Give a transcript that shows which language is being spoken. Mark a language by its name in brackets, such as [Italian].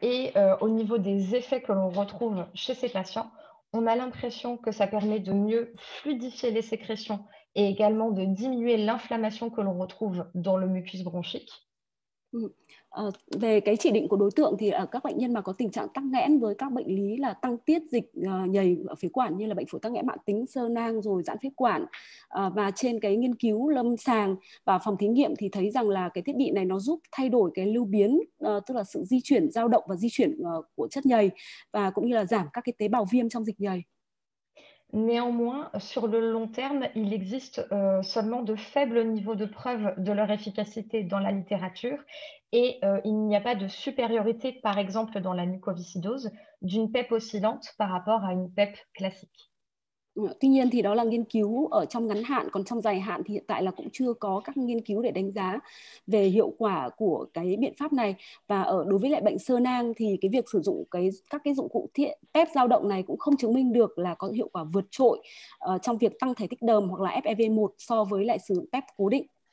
[French] Au niveau des effets que l'on retrouve chez ces patients, on a l'impression que ça permet de mieux fluidifier les sécrétions et également de diminuer l'inflammation que l'on retrouve dans le mucus bronchique. [Vietnamese] Về cái chỉ định của đối tượng thì ở các bệnh nhân mà có tình trạng tắc nghẽn với các bệnh lý là tăng tiết dịch nhầy ở phế quản như là bệnh phổi tắc nghẽn mãn tính, xơ nang rồi giãn phế quản, và trên cái nghiên cứu lâm sàng và phòng thí nghiệm thì thấy rằng là cái thiết bị này nó giúp thay đổi cái lưu biến, tức là sự di chuyển dao động và di chuyển của chất nhầy, và cũng như là giảm các cái tế bào viêm trong dịch nhầy. [French] Néanmoins, sur le long terme, il existe seulement de faibles niveaux de preuve de leur efficacité dans la littérature et il n'y a pas de supériorité, par exemple, dans la mucoviscidose d'une PEP oscillante par rapport à une PEP classique. [Vietnamese] Tuy nhiên thì đó là nghiên cứu ở trong ngắn hạn, còn trong dài hạn thì hiện tại là cũng chưa có các nghiên cứu để đánh giá về hiệu quả của cái biện pháp này. Và ở đối với lại bệnh xơ nang thì cái việc sử dụng cái các cái dụng cụ thiết PEP dao động này cũng không chứng minh được là có hiệu quả vượt trội trong việc tăng thể tích đờm hoặc là FEV1 so với lại sử dụng PEP cố định.